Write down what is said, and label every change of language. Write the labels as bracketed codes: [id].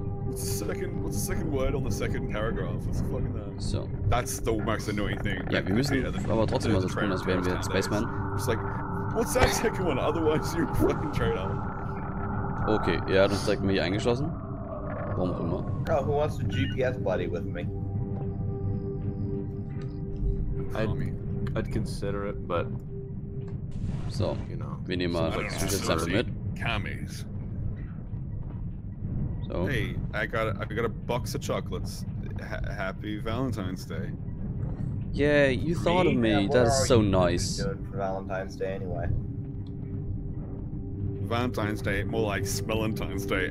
[en] What's the second word on the second paragraph? What's the fucking that? So. That's the most annoying thing. [de] Ja, wir müssen aber trotzdem mal so tun, als wären wir jetzt Spaceman. [en] It's like, what's that second one? Otherwise you're fucking traitor. [de] Okay, er hat uns direkt mal hier eingeschlossen. Warum auch immer. [en] Oh, who wants a GPS buddy with me? I'd consider it, but... So, you know, [de] wir nehmen mal das Zwischenzimmer mit. Camis. [en] So. Hey, I got a box of chocolates. Happy Valentine's Day. Yeah, you thought of me. Yeah, that's so nice. Doing for Valentine's Day anyway. Valentine's Day, more like Smellentine's Day.